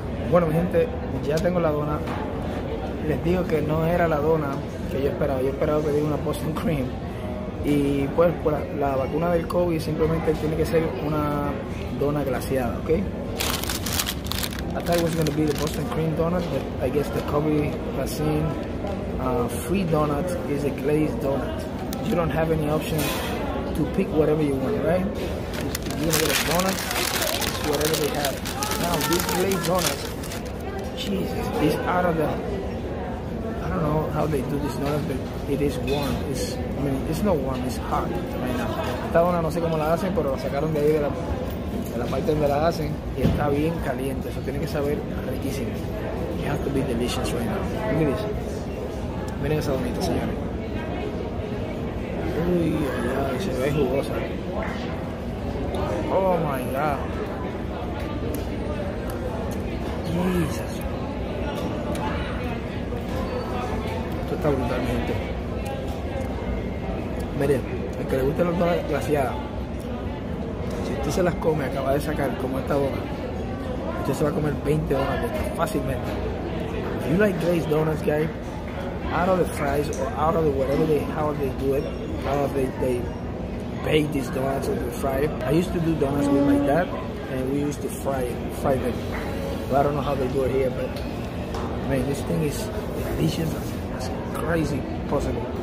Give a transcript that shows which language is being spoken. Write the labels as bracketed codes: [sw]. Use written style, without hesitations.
[es] Bueno, mi gente, ya tengo la dona. Les digo que no era la dona que yo esperaba. Yo esperaba pedir una Boston Cream. Y pues, por la vacuna del COVID, simplemente tiene que ser una dona glaseada, ¿ok? [en] I thought it was going to be the Boston Cream donut, but I guess the COVID vaccine free donut is a glazed donut. You don't have any option to pick whatever you want, right? Just, if you're going to get a donut, it's whatever they have. Now, this glazed donut, Jesus, it's out of the, I don't know how they do this donut, but it is warm. It's, I mean, it's not warm, it's hot right now. [es] Esta dona no sé cómo la hacen, pero la sacaron de ahí, de la parte donde la hacen, y está bien caliente. Eso tiene que saber riquísimo. [en] It has to be delicious right now. Look at this. [es] Miren esa donita, señores. Uy, ay, se ve jugosa. [en] Oh, my God. Jesus. [es] Esto está brutal, mi gente. Miren, el que le gusta la dona glaseada, si usted se las come, acaba de sacar como esta dona, usted se va a comer 20 donas de esta fácilmente. [en] If you like glazed donuts, guys, out of the fries or out of the whatever they, how they do it, how they bake these donuts or they fry it. I used to do donuts with my dad and we used to fry them. I don't know how they do it here, but man, this thing is delicious as crazy possible.